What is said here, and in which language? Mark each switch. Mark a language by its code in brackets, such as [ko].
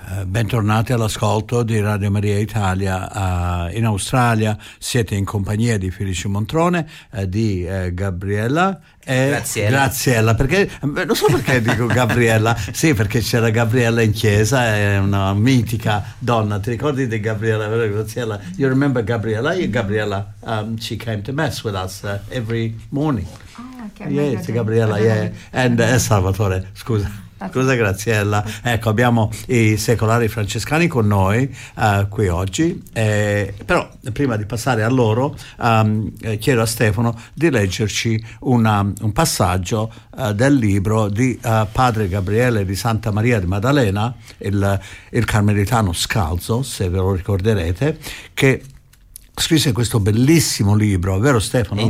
[it] Bentornati all'ascolto di Radio Maria Italia in Australia. Siete in compagnia di Felice Montrone, di Gabriella. Graziella, perché non so perché dico Gabriella. Sì, perché c'era Gabriella in chiesa, è una mitica donna. Ti ricordi di Gabriella? [en] Graziella, you remember Gabriella? Gabriella, she came to mass with us every morning. Yes, Gabriella, yeah. And Salvatore, scusa. [it] Scusa Graziella, ecco, abbiamo i secolari francescani con noi qui oggi, però prima di passare a loro chiedo a Stefano di leggerci un passaggio del libro di Padre Gabriele di Santa Maria di Maddalena, il Carmelitano Scalzo, se ve lo ricorderete, che scrisse questo bellissimo libro, vero Stefano?